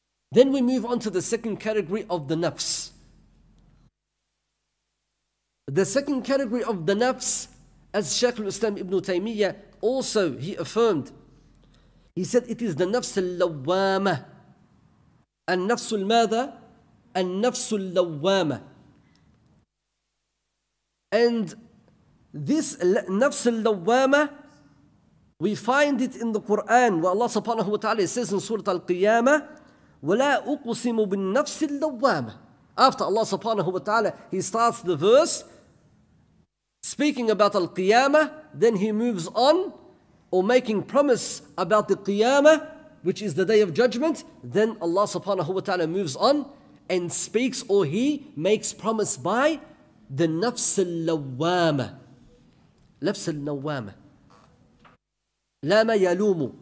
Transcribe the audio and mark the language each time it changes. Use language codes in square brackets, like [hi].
[en] Then we move on to the second category of the nafs. The second category of the nafs, as Shaykh al-Islam Ibn Taymiyyah also, he affirmed, he said, it is the nafs al-lawwama. [ar] النفس الماذا؟ النفس اللوامة. [en] And this نفس اللوامة, we find it in the Quran, where Allah subhanahu wa ta'ala says in Surah Al-Qiyamah, [ar] وَلَا أُقْسِمُ بِالنَّفْسِ اللَّوَّامَةِ. [en] After Allah subhanahu wa ta'ala, he starts the verse speaking about Al-Qiyamah, then he moves on, or making promise about the Qiyamah, which is the day of judgment, then Allah subhanahu wa ta'ala moves on and speaks, or he makes promise by the nafs al-lawwama. Nafs al-lawwama. Lama yalumu.